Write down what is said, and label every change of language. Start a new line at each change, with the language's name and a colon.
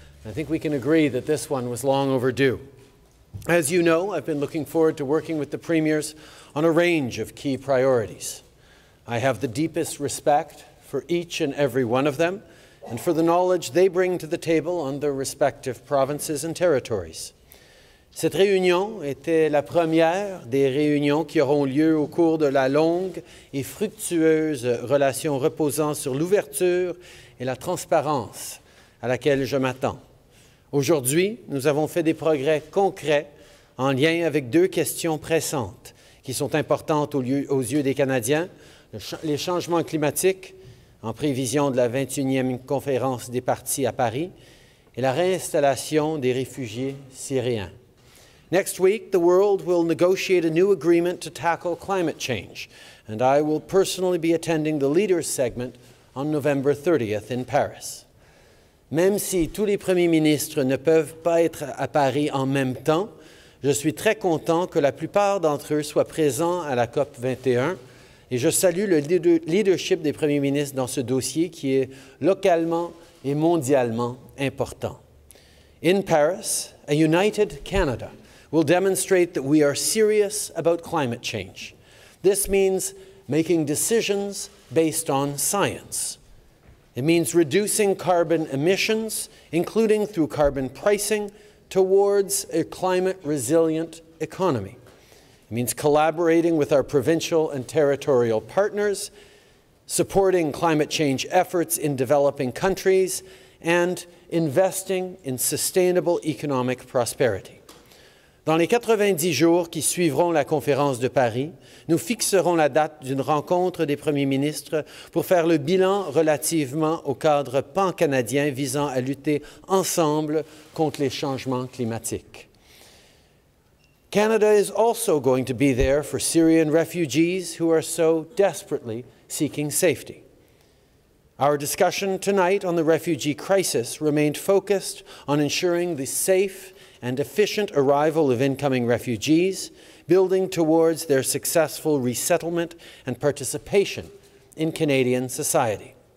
English: I think we can agree that this one was long overdue. As you know, I've been looking forward to working with the premiers on a range of key priorities. I have the deepest respect for each and every one of them and for the knowledge they bring to the table on their respective provinces and territories.
French: Cette réunion était la première des réunions qui auront lieu au cours de la longue et fructueuse relation reposant sur l'ouverture et la transparence à laquelle je m'attends. Aujourd'hui, nous avons fait des progrès concrets en lien avec deux questions pressantes qui sont importantes aux yeux des Canadiens, les changements climatiques en prévision de la 21e conférence des partis à Paris et la réinstallation des réfugiés syriens.
English: Next week, the world will negotiate a new agreement to tackle climate change, and I will personally be attending the leaders' segment on November 30th in Paris.
French: Même si tous les premiers ministres ne peuvent pas être à Paris en même temps, je suis très content que la plupart d'entre eux soient présents à la COP21, et je salue le leadership des premiers ministres dans ce dossier qui est localement et mondialement important.
English: In Paris, a united Canada will demonstrate that we are serious about climate change. This means making decisions based on science. It means reducing carbon emissions, including through carbon pricing, towards a climate-resilient economy. It means collaborating with our provincial and territorial partners, supporting climate change efforts in developing countries, and investing in sustainable economic prosperity.
French: Dans les 90 jours qui suivront la conférence de Paris, nous fixerons la date d'une rencontre des premiers ministres pour faire le bilan relativement au cadre pan-canadien visant à lutter ensemble contre les changements climatiques.
English: Canada is also going to be there for Syrian refugees who are so desperately seeking safety. Our discussion tonight on the refugee crisis remained focused on ensuring the safe and efficient arrival of incoming refugees, building towards their successful resettlement and participation in Canadian society.